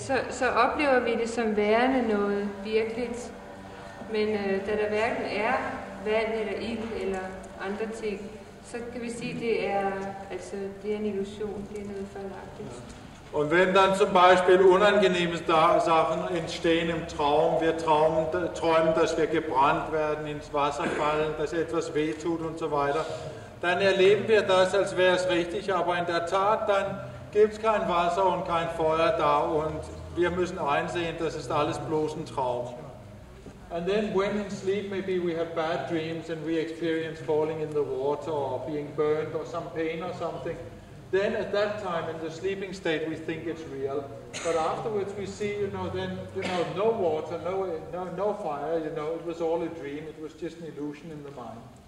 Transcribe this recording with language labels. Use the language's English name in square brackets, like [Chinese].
[Danish] så oplever vi det som værende noget virkeligt. Men da der hverken er vand eller ild eller andre ting, så kan vi sige, at det er, altså, det er en illusion, det er noget fejlagtigt. [German] Og wenn dann zum Beispiel unangenehme Sachen entstehen im Traum, wir träumen, dass wir gebrannt werden, ins Wasser fallen, dass etwas wehtut und so weiter, dann erleben wir das, als wäre es richtig, aber in der Tat, dann gibt es kein Wasser und kein Feuer da und wir müssen einsehen, das ist alles bloß ein Traum. [English] And then when in sleep maybe we have bad dreams and we experience falling in the water or being burned or some pain or something, then at that time in the sleeping state we think it's real, but afterwards we see, you know, then, you know, no water, no fire, you know, it was all a dream, it was just an illusion in the mind.